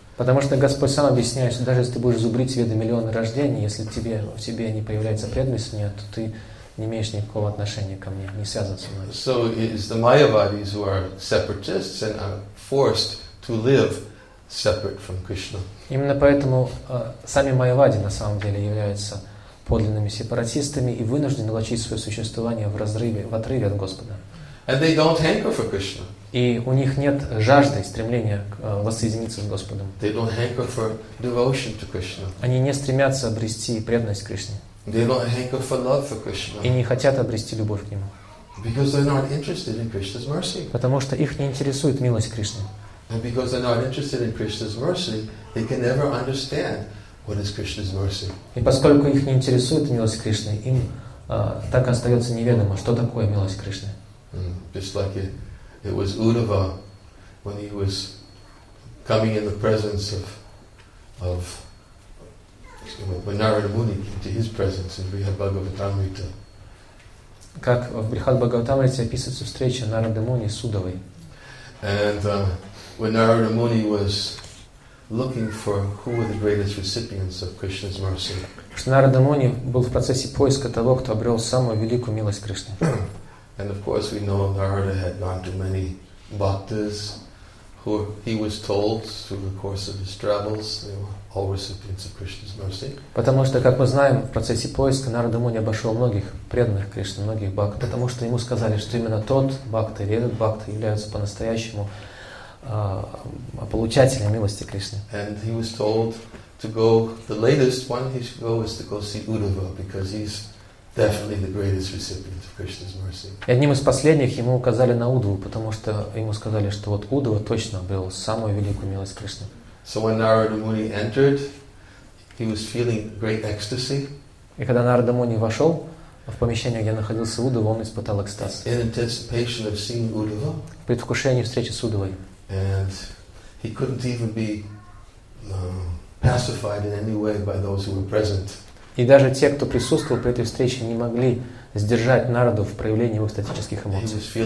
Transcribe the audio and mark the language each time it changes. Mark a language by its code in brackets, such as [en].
[ru] Потому что Господь сам объясняет, что даже если ты будешь зубрить Веды миллионы рождений, если тебе, в тебе не появляется преданность мне, то ты не имеешь никакого отношения ко мне, не связан со мной. [en] So it is the Mayavadis who are separatists and are forced to live separate from Krishna. [ru] Именно поэтому сами Майявади на самом деле являются подлинными сепаратистами и вынуждены влачить свое существование в разрыве, в отрыве от Господа. [en] And they don't hanker for Krishna. [ru] И у них нет жажды, стремления воссоединиться с Господом. [en] They don't hanker for devotion to Krishna. [ru] Они не стремятся обрести преданность Кришне. [en] They don't hanker for love for Krishna. [ru] И не хотят обрести любовь к Нему. [en] Because they're not interested in Krishna's mercy. [ru] Потому что их не интересует милость Кришны. [en] And because they're not interested in Krishna's mercy, they can never understand what is Krishna's mercy. [ru] И поскольку их не интересует милость Кришны, им так остается неведомо, что такое милость Кришны. [en] Just like it was Uddhava when he was coming in the presence of when Narada Muni came to his presence in Brihad Bhagavatamrita. [ru] Как в Брихад Бхагаватамрите описывается встреча Нарады Муни с Уддхавой. [en] And when Narada Muni was looking for who were the greatest recipients of Krishna's mercy. [ru] Нарада Муни был в процессе поиска того, кто обрел самую великую милость Кришны. [en] And of course, we know Narada had gone to many bhaktas, who he was told through the course of his travels, they were all recipients of Krishna's mercy. [ru] Потому что, как мы знаем, в процессе поиска Нарада Муни обошел многих преданных Кришны, многих бхакт, потому что ему сказали, что именно тот бхакта или этот бхакта являются по-настоящему получателем милости Кришны. [en] And he was told to go. The latest one he should go is to go see Uddhava, because he's definitely the greatest recipient of Krishna's mercy. [ru] Одним из последних ему указали на Уддву, потому что ему сказали, что вот Уддва точно был самую великую милость Кришны. [en] So when Narada Muni entered, he was feeling great ecstasy. [ru] И когда Нарада Муни вошел в помещение, где находился Уддва, он испытал экстаз. [en] In anticipation of seeing Uddva. [ru] В предвкушении встречи с Уддвой. [en] And he couldn't even be pacified in any way by those who were present. [ru] И даже те, кто присутствовал при этой встрече, не могли сдержать Нараду в проявлении его экстатических эмоций.